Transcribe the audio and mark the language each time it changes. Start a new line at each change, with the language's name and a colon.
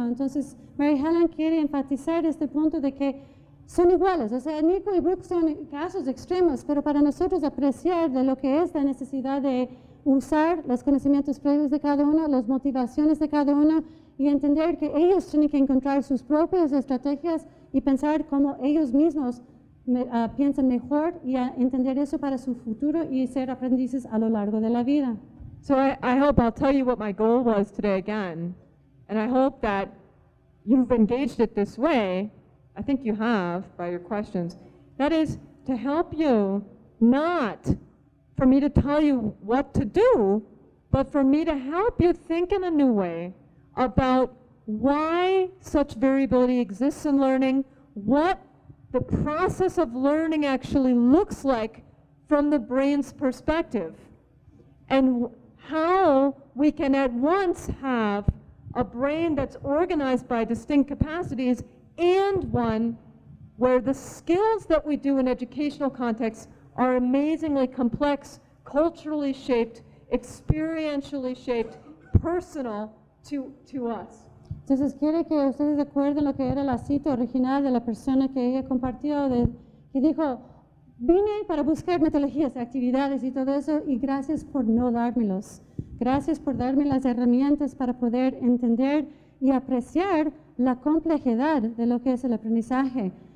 Spanish: Entonces, Mary Helen quiere enfatizar este punto de que son iguales, o sea, Nico y Brooke son casos extremos, pero para nosotros apreciar de lo que es la necesidad de usar los conocimientos previos de cada uno, las motivaciones de cada uno, y entender que ellos tienen que encontrar sus propias estrategias y pensar cómo ellos mismos piensan mejor y entender eso para su futuro y ser aprendices a lo largo de la vida.
English: So I hope I'll tell you what my goal was today again, and I hope that you've engaged it this way. I think you have by your questions. That is to help you, not for me to tell you what to do, but for me to help you think in a new way about why such variability exists in learning, what the process of learning actually looks like from the brain's perspective, and how we can at once have a brain that's organized by distinct capacities and one where the skills that we do in educational contexts are amazingly complex, culturally shaped, experientially shaped, personal to us.
Spanish: Entonces quiere que ustedes recuerden lo que era la cita original de la persona que ella compartió, que dijo, vine para buscar metodologías, actividades y todo eso, y gracias por no dármelos. Gracias por darme las herramientas para poder entender y apreciar la complejidad de lo que es el aprendizaje.